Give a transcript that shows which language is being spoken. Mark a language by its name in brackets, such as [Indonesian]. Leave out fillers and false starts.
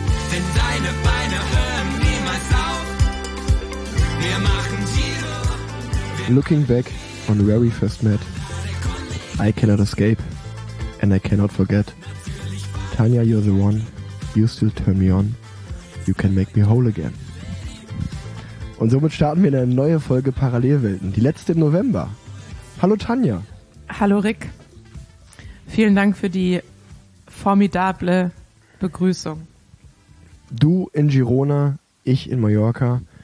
[German] Wenn deine Beine hören niemals auf, wir machen Giro. [English] Looking back on where we first met, I cannot escape and I cannot forget. Tanja, you're the one, you still turn me on, you can make me whole again. [German] Und somit starten wir in eine neue Folge Parallelwelten, die letzte im November. Hallo Tanja. Hallo Rick. Vielen Dank für die formidable Begrüßung. Du in Girona, ich in Mallorca.